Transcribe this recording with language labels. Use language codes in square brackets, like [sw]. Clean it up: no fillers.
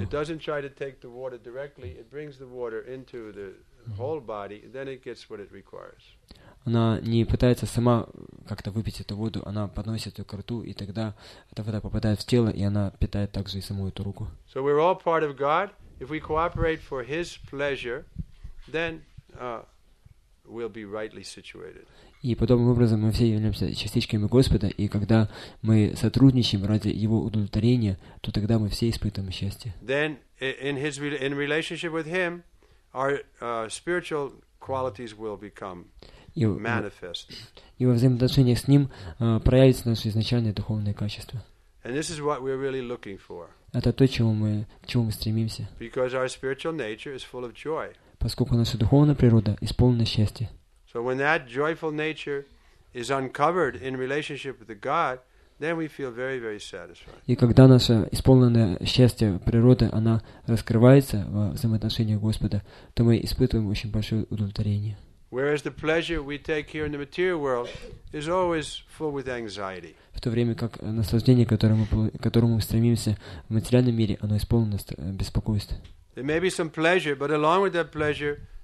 [en] It doesn't try to take the water directly. It brings the water into the whole body, then it gets what it requires. [ru] Она не пытается сама как-то выпить эту воду. Она подносит ее к рту, и тогда эта вода попадает в тело, и она питает также и саму эту руку. [en] So we're all part of God. If we cooperate for His pleasure, then will be rightly situated. [ru] И подобным образом мы все являемся частичками Господа, и когда мы сотрудничаем ради Его удовлетворения, то тогда мы все испытываем счастье. [en] Then in relationship with Him, our spiritual qualities will become manifest. [ru] И во взаимоотношениях с Ним проявится наше изначальное духовное качество. [en] And this is what we're really looking for. [ru] Это то, чего мы стремимся. [en] Because our spiritual nature is full of joy. [ru] Поскольку наша духовная природа исполнена счастья. [en] So when that joyful nature is uncovered in relationship with God, then we feel very, very satisfied. [ru] И когда наша исполненная счастье природа, она раскрывается во взаимоотношениях Господа, то мы испытываем очень большое удовлетворение. [en] Whereas the pleasure we take here in the material world is always full with anxiety. [ru] В то время как наслаждение, к которому мы стремимся в материальном мире, оно исполнено беспокойством. [en] There may be some pleasure, but along with that pleasure,